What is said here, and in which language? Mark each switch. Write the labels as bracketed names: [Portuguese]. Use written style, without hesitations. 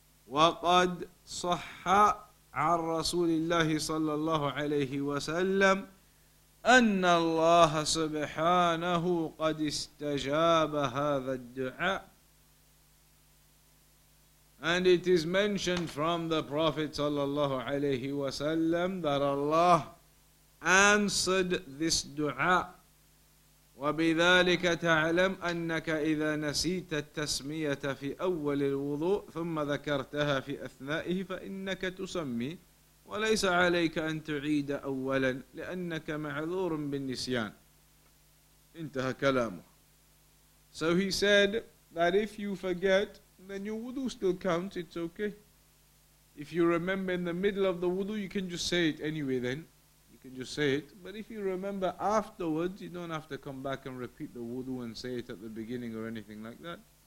[Arabic] وَقَدْ صَحَّ عَنْ رَسُولِ اللَّهِ صَلَّى اللَّهُ عَلَيْهِ وَسَلَّمْ أن الله سبحانه قد استجاب هذا الدعاء. [English] And it is mentioned from the Prophet [Arabic] sallallahu alayhi wa sallam [English] that Allah answered this dua. [Arabic] وبذلك تعلم أنك إذا نسيت التسمية في أول الوضوء ثم ذكرتها في أثنائه فإنك تسمي وليس عليك أن تعيد أولا لأنك معذور بالنسيان. انتهى كلامه. [English] So he said that if you forget, then your wudu still counts, it's okay. If you remember in the middle of the wudu, you can just say it anyway then. You can just say it. But if you remember afterwards, you don't have to come back and repeat the wudu and say it at the beginning or anything like that.